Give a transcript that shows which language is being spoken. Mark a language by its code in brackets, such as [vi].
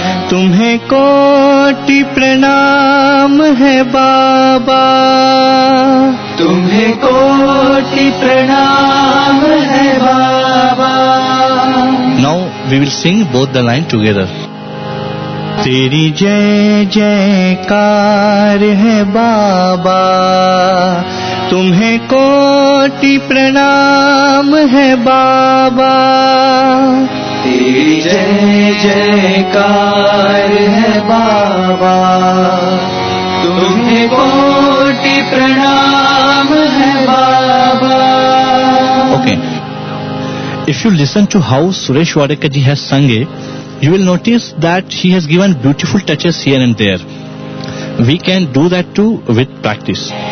[hi] तुम्हें कोटि प्रणाम है बाबा तुम्हें कोटि प्रणाम है बाबा [en] Now we will sing both the line together. [hi] तेरी जय जयकार है बाबा तुम्हें कोटि प्रणाम है बाबा तेरी जय जयकार है बाबा तुम्हें कोटि प्रणाम है बाबा [en] Okay if you listen to how Suresh Wadekar ji has sung You will notice that he has given beautiful touches here and there. We can do that too with practice.